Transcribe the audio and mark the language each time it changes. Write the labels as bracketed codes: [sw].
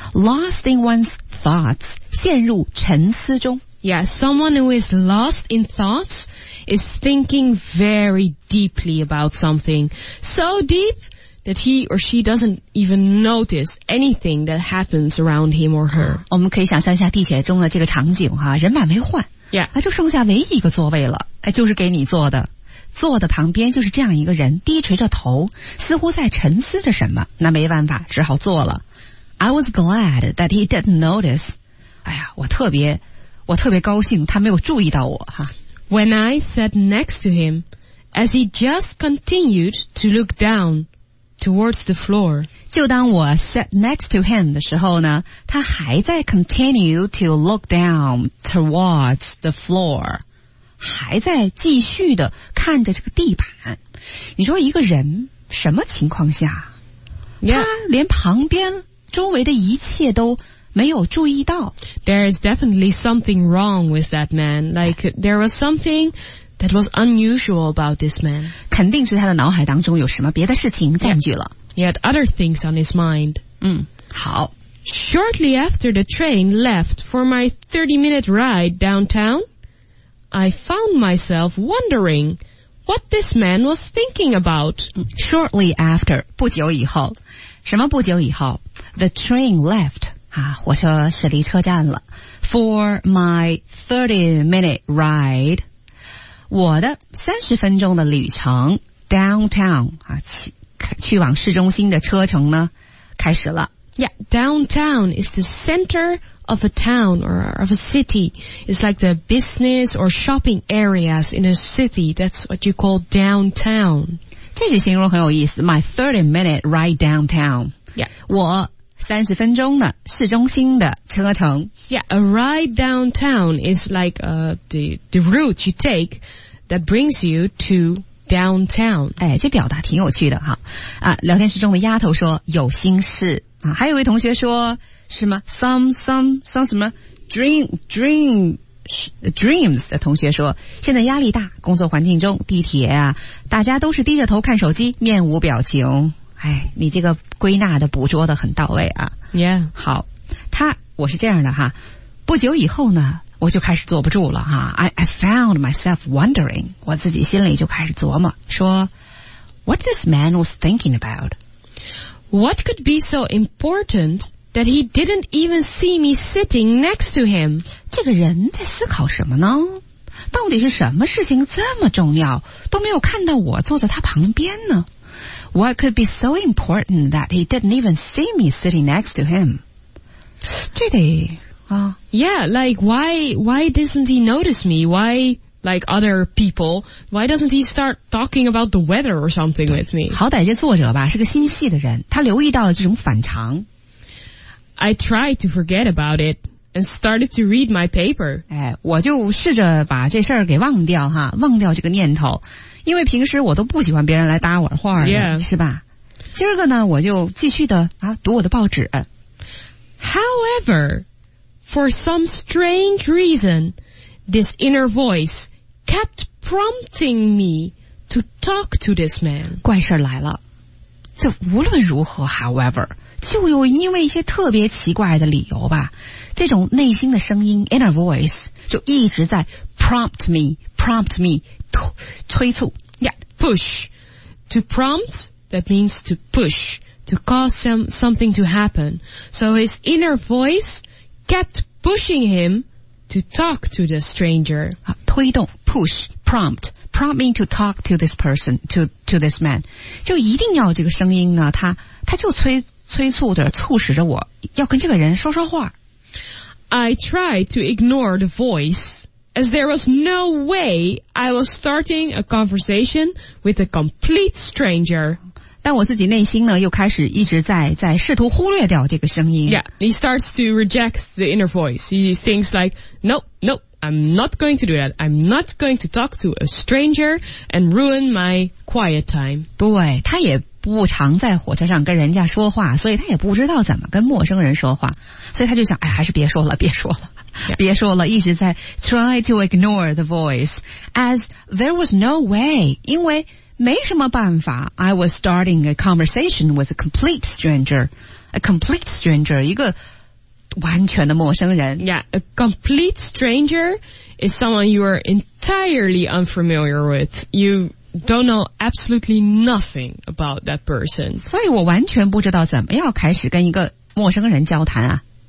[en] Lost in one's thoughts, [zh] 陷入沉思中。 [en] Yeah, someone who is lost in thoughts is thinking very deeply about something. So deep that he or she doesn't even notice anything that happens around him or her. [zh] 我们可以想象一下地铁中的这个场景哈，人满为患。 [en] Yeah. [zh] 那就剩下唯一一个座位了，就是给你坐的。坐的旁边就是这样一个人，低垂着头，似乎在沉思着什么。那没办法，只好坐了。 [en] I was glad that he didn't notice. [zh] 哎呀，我特别高兴他没有注意到我哈。 [en] When I sat next to him, as he just continued to look down towards the floor. [zh] 就当我 [en] sat next to him [zh] 的时候呢，他还在 [en] continue to look down towards the floor. [zh] 还在继续的看着这个地板。你说一个人什么情况下、 [en] yeah. [zh] 他连旁边周围的一切都没有注意到。 [en] There is definitely something wrong with that man. Like, there was something that was unusual about this man. [zh] 肯定是他的脑海当中有什么别的事情占据了。 [en] He had other things on his mind. [zh] 好。 [en] Shortly after the train left for my 30-minute ride downtown, I found myself wondering... What this man was thinking about. Shortly after, [zh] 不久以后。什么不久以后? [en] The train left, [zh] 啊，火车驶离车站了。 [en] For my 30-minute ride, [zh] 我的30分钟的旅程 downtown, 啊，去往市中心的车程呢，开始了。 [en] Yeah, downtown is the center of a town or of a city. It's like the business or shopping areas in a city. That's what you call downtown. [zh] 这句形容很有意思。 [en] My 30-minute ride downtown. Yeah. [zh] 我30分钟的市中心的车程。 [en] Yeah, a ride downtown is like the route you take that brings you to downtown. [zh] 哎，这表达挺有趣的哈。啊，聊天室中的丫头说有心事。啊，还有一位同学说是吗 some 什么 dreams 的同学说现在压力大工作环境中地铁啊大家都是低着头看手机面无表情哎，你这个归纳的捕捉的很到位啊 [en] yeah [zh] 好他我是这样的哈不久以后呢我就开始坐不住了哈 [en] I found myself wondering [zh] 我自己心里就开始琢磨说 [en] What this man was thinking about What could be so importantThat he didn't even see me sitting next to him. [zh] 这个人在思考什么呢？到底是什么事情这么重要，都没有看到我坐在他旁边呢？ [en] What could be so important that he didn't even see me sitting next to him? [zh] 这得啊。 [en] Yeah, like why doesn't he notice me? Why, like other people, why doesn't he start talking about the weather or something with me? [zh] 好歹这作者吧，是个心细的人，他留意到了这种反常。 [en] I tried to forget about it and started to read my paper. [zh] 哎，我就试着把这事儿给忘掉哈，忘掉这个念头，因为平时我都不喜欢别人来搭我话的， [en] yeah. [zh] 是吧？今儿个呢，我就继续的啊，读我的报纸。 [en] However, for some strange reason, this inner voice kept prompting me to talk to this man. [zh] 怪事来了。这无论如何 ,however, 就有因为一些特别奇怪的理由吧。这种内心的声音 ,inner voice, 就一直在 [en] prompt me, [zh] 催促。 [en] Yeah, push. To prompt, that means to push, to cause something to happen. So his inner voice kept pushing him to talk to the stranger. 推动 ,push, prompt. Prompt me to talk to this person, to this man. [zh] 就一定要这个声音呢，他就催促着，促使着我要跟这个人说说话。 [en] I tried to ignore the voice, as there was no way I was starting a conversation with a complete stranger. [zh] 但我自己内心呢，又开始一直在试图忽略掉这个声音。 [en] Yeah, he starts to reject the inner voice. He thinks like, nope. I'm not going to do that. I'm not going to talk to a stranger and ruin my quiet time. [zh] 对，他也不常在火车上跟人家说话，所以他也不知道怎么跟陌生人说话，所以他就想，哎，还是别说了，别说了， [en] yeah. [zh] 别说了，一直在 [en] try to ignore the voice as there was no way, [zh] 因为没什么办法。 [en] I was starting a conversation with a complete stranger, [zh] 一个完全的陌生人。 [en] Yeah, a complete stranger is someone you are entirely unfamiliar with. You don't know absolutely nothing about that person. [zh] 所以我完全不知道怎么要开始跟一个陌生人交谈啊。